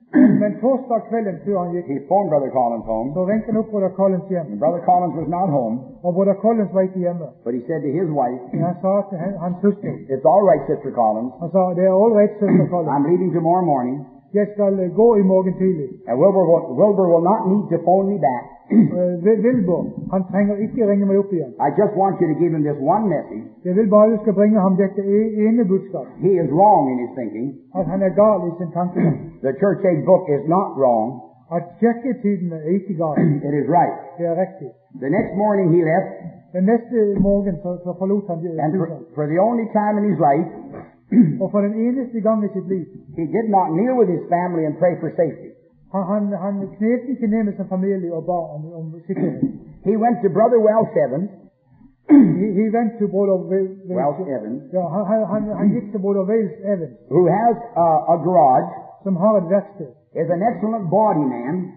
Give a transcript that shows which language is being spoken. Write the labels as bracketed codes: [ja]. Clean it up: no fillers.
[no] men torsdag kvelden før han gikk, [en] he phoned Brother Collins home. [no] Så ringte han opp Brother Collins hjem. [en] And Brother Collins was not home. [no] Og Brother Collins var ikke hjemme. [en] But he said to his wife, [no] han sa til hans søster, [en] it's all right, Sister Collins. [no] Han sa, det er all right, Sister Collins. [en] I'm leaving tomorrow morning. [no] Jeg skal gå i morgen tidlig. [en] And Wilbur will not need to phone me back. [no] Wilbur, han trenger ikke ringe meg opp igjen. [en] I just want you to give him this one message. [no] Jeg vil bare du skal bringe ham dette ene budskap. [en] He is wrong in his thinking. [no] At han gal i sin tanke. [en] The Church Age book is not wrong. [no] At kirketiden ikke gal. [en] It is right. [no] Det riktig. [en] The next morning he left. [no] Den neste morgen så forlot han huset. [en] And for the only time in his life. [no] Og for den eneste gang i sitt liv. [en] He did not kneel with his family and pray for safety. [no] Han knelte ikke ned med sin familie og ba om sikkerhet. [en] He went to Brother Welch Evans. He went to Brother Welch Evans. [no] Han gikk til Brother Welch Evans. [en] Who has a garage. [no] Som har et verksted. [en] Is an excellent body man.